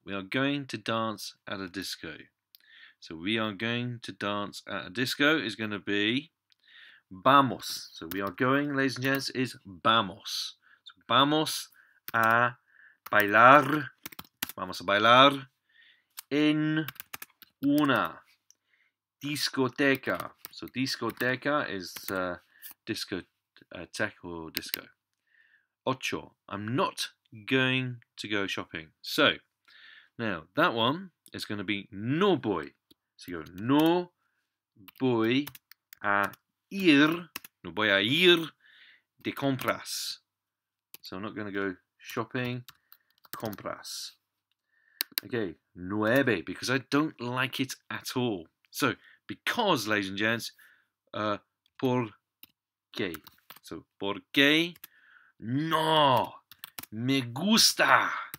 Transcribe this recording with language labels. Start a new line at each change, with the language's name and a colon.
English: We are going to dance at a disco. So we are going to dance at a disco is going to be
Spanish: vamos.
English: So we are going, ladies and gents, is
Spanish: vamos.
English: So
Spanish: vamos a bailar. Vamos a bailar en una discoteca.
English: So discoteca is discotheque or disco.
Spanish: Ocho.
English: I'm not going to go shopping. So now that one is going to be
Spanish: no boy.
English: So you go,
Spanish: no voy a ir, no voy a ir de compras.
English: So I'm not going to go shopping,
Spanish: compras.
English: Okay,
Spanish: nueve,
English: because I don't like it at all. So, because, ladies and gents,
Spanish: por qué.
English: So,
Spanish: por qué no me gusta.